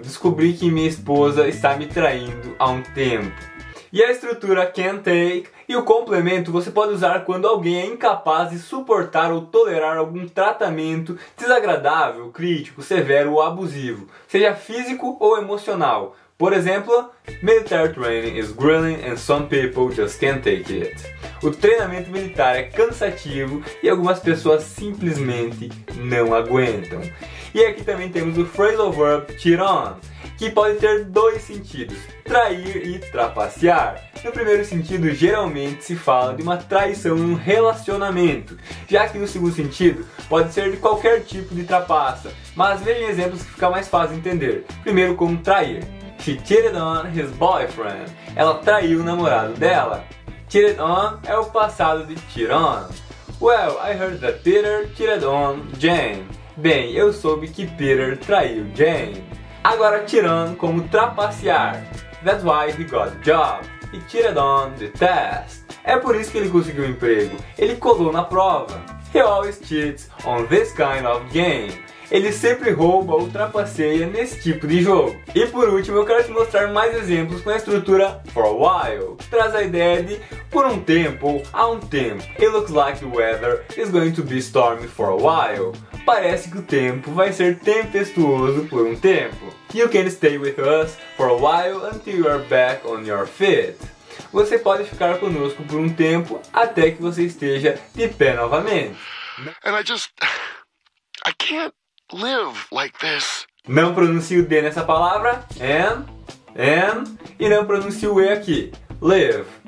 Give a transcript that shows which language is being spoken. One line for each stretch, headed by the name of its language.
Portuguese: Descobri que minha esposa está me traindo há um tempo. E a estrutura can't take e o complemento você pode usar quando alguém é incapaz de suportar ou tolerar algum tratamento desagradável, crítico, severo ou abusivo, seja físico ou emocional. Por exemplo,
English: military training is grueling and some people just can't take it.
Portuguese: O treinamento militar é cansativo e algumas pessoas simplesmente não aguentam. E aqui também temos o phrasal verb cheat on, que pode ter dois sentidos, trair e trapacear. No primeiro sentido, geralmente se fala de uma traição em um relacionamento, já que no segundo sentido, pode ser de qualquer tipo de trapaça. Mas vejam exemplos que fica mais fácil entender. Primeiro, como trair.
English: She cheated on his boyfriend.
Portuguese: Ela traiu o namorado dela. Cheated on é o passado de cheat on.
English: Well, I heard that Peter cheated on Jane.
Portuguese: Bem, eu soube que Peter traiu Jane. Agora tirando como trapacear.
English: That's why he got the job. He cheated on the test.
Portuguese: É por isso que ele conseguiu o emprego. Ele colou na prova.
English: He always cheats on this kind of game.
Portuguese: Ele sempre rouba ou trapaceia nesse tipo de jogo. E por último, eu quero te mostrar mais exemplos com a estrutura for a while, que traz a ideia de por um tempo, há um tempo.
English: It looks like the weather is going to be stormy for a while.
Portuguese: Parece que o tempo vai ser tempestuoso por um tempo.
English: You can stay with us for a while until you are back on your feet.
Portuguese: Você pode ficar conosco por um tempo até que você esteja de pé novamente.
English: And I can't live like this.
Portuguese: Não pronuncie o D nessa palavra, and, e não pronuncie o E aqui, live.